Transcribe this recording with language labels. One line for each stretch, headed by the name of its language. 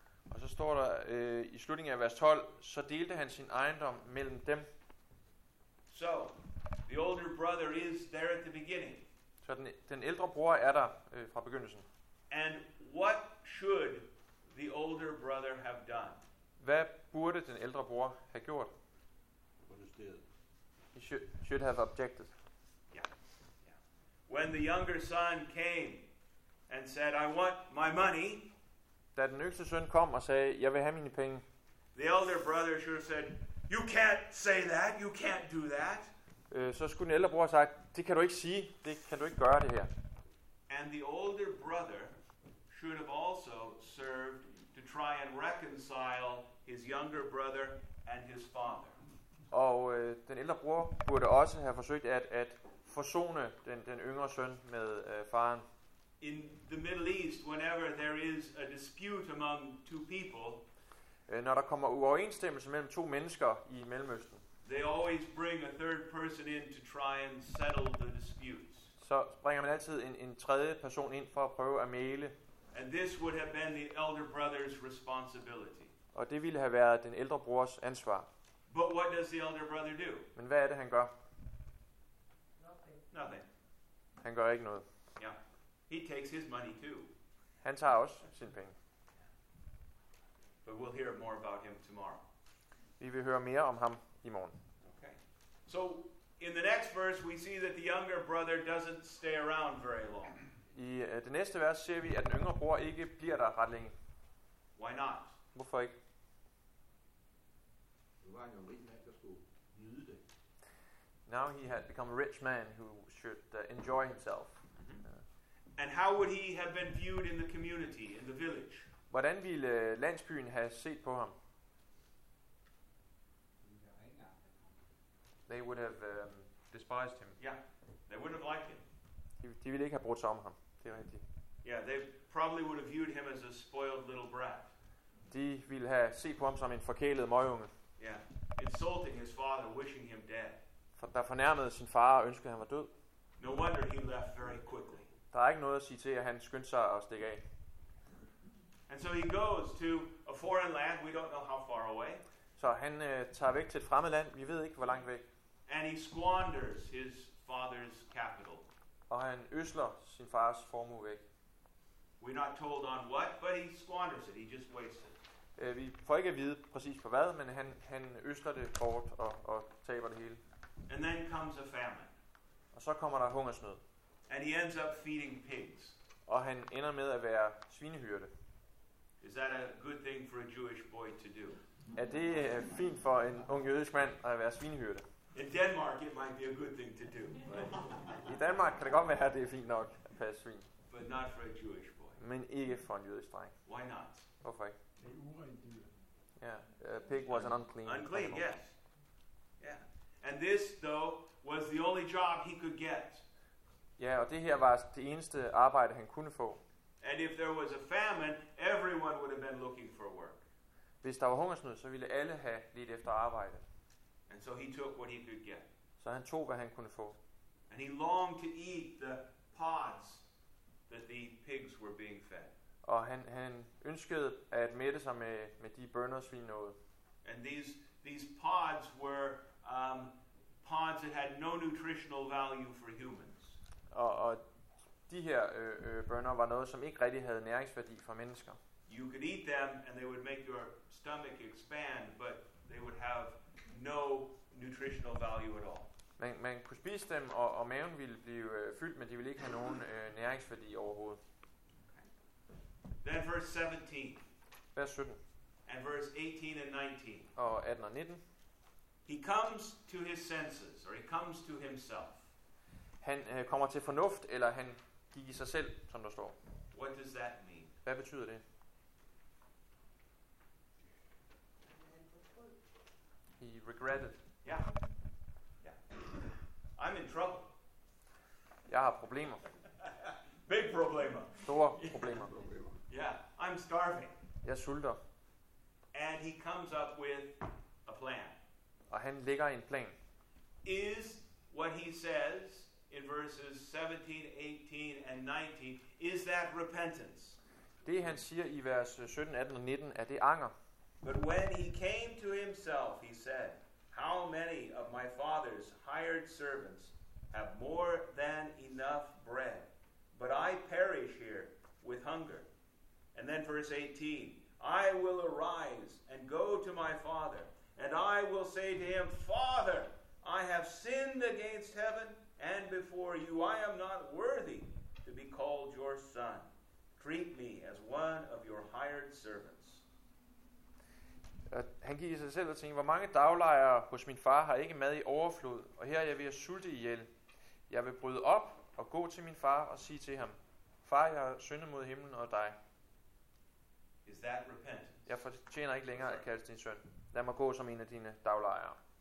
Danish: Og så står der i slutningen af vers 12, så delte han sin ejendom mellem dem.
English: So, the older brother is there at the beginning.
Danish: Så den ældre bror er der fra begyndelsen.
English: And what should the older brother have done?
Danish: Hvad burde den ældre bror have gjort? Protesteret.
English: He should have objected. Yeah. Yeah. When the younger son came and said, I want my money.
Danish: Da den yngste søn kom og sagde, jeg vil have mine penge.
English: The elder brother should have said, you can't say that, you can't do that.
Danish: Så skulle den ældre bror have sagt, det kan du ikke sige, det kan du ikke gøre det her.
English: And the older brother should have also served to try and reconcile his younger brother and his father.
Danish: Og den ældre bror burde også have forsøgt at forsone den yngre søn med faren.
English: In the Middle East, whenever there is a dispute among two people,
Danish: når der kommer uoverensstemmelse mellem to mennesker i Mellemøsten.
English: They always bring a third person in to try and settle the disputes.
Danish: Så bringer man altid en tredje person ind for at prøve at mægle.
English: And this would have been the elder brother's responsibility.
Danish: Og det ville have været den ældre brors ansvar.
English: But what does the elder brother do?
Danish: Men hvad er det han gør?
English: Nothing.
Danish: Han gør ikke noget.
English: Yeah. He takes his money too.
Danish: Han tager også sin penge.
English: But we'll hear more about him tomorrow.
Danish: Vi vil høre mere om ham i morgen.
English: Okay. So in the next verse we see that the younger brother doesn't stay around very long.
Danish: I det næste vers ser vi at den yngre bror ikke bliver der ret længe.
English: Why not?
Danish: Hvorfor ikke? Det var en rig mand, der skulle nyde det.
English: Now he had become a rich man who should enjoy himself. And how would he have been viewed in the community, in the village?
Danish: Hvordan ville landsbyen have set på ham?
English: They would have despised him. Yeah, they wouldn't have liked him.
Danish: De ville ikke have brudt sig om ham. Det er rigtigt.
English: Yeah, they probably would have viewed him as a spoiled little brat.
Danish: De ville have set på ham som en forkælet møgunge.
English: Yeah, insulting his father, wishing him dead.
Danish: Der fornærmede sin far og ønskede, at han var død.
English: No wonder he left very quickly.
Danish: Der er ikke noget at sige til, at han skyndte sig at stikke af.
English: And so he goes to a foreign land, we don't know how far away.
Danish: Så han tager væk til et fremmed land, vi ved ikke hvor langt væk.
English: And he squanders his father's capital.
Danish: Og han øsler sin fars formue væk.
English: We're not told on what, but he squanders it, he just wastes it.
Danish: Vi får ikke at vide præcis på hvad, men han øsler det bort og taber det hele.
English: And then comes a famine.
Danish: Og så kommer der hungersnød.
English: And he ends up feeding pigs.
Danish: Og han ender med at være svinehyrde.
English: Is that a good thing for a Jewish boy to do?
Danish: Er det fint for en ung jødisk mand at være svinehyrde?
English: In Denmark it might be a good thing to do.
Danish: I Danmark kan det godt være, at det er fint nok at passe svin.
English: But not for a Jewish boy.
Danish: Men ikke for en jødisk dreng.
English: Why not?
Danish: Hvorfor ikke? Det er urent dyr.
English: Ja, pig was an unclean animal. Unclean, yes. Yeah. And this though was the only job he could get.
Danish: Ja, og det her var det eneste arbejde han kunne få.
English: And if there was a famine, everyone would have been looking for work.
Danish: Hvis der var hungersnød, så ville alle have lidt efter arbejde.
English: And so he took what he could get.
Danish: Så han tog hvad han kunne få.
English: And he longed to eat the pods that the pigs were being fed.
Danish: Og han ønskede at mætte sig med de bønner svin nåede.
English: And these pods were pods that had no nutritional value for humans.
Danish: Og de her bønner var noget, som ikke rigtig havde næringsværdi for mennesker.
English: You could eat them and they would make your stomach expand, but they would have no nutritional value at all.
Danish: Man kunne spise dem og maven ville blive fyldt, men de ville ikke have nogen næringsværdi overhovedet.
English: Then verse 17.
Danish: Vers 17.
English: And verse 18 and 19.
Danish: Og 18 og 19.
English: He comes to his senses, or he comes to himself.
Danish: Han kommer til fornuft, eller han gik i sig selv, som der står.
English: What does that mean?
Danish: Hvad betyder det?
English: He regretted. Yeah. I'm in trouble.
Danish: Jeg har problemer.
English: Big problemer.
Danish: Store problemer.
English: Yeah, I'm starving.
Danish: Jeg sulter.
English: And he comes up with a plan.
Danish: Og han lægger en plan.
English: Is what he says in verses 17, 18, and 19, is that repentance?
Danish: Det han siger i vers 17, 18 og 19, er det anger.
English: But when he came to himself, he said, how many of my father's hired servants have more than enough bread, but I perish here with hunger. And then verse 18, I will arise and go to my father, and I will say to him, Father, I have sinned against heaven, and before you, I am not worthy to be called your son. Treat me as one of your hired servants.
Danish: Han gik i sig selv og tænkte, hvor mange daglejere hos min far har ikke mad i overflod, og her er jeg ved at sulte ihjel. Jeg vil bryde op og gå til min far og sige til ham, Far, jeg har syndet mod himlen og dig.
English: Is that repentance?
Danish: Jeg fortjener ikke længere at kalde din søn. Lad mig gå som en af dine daglejere.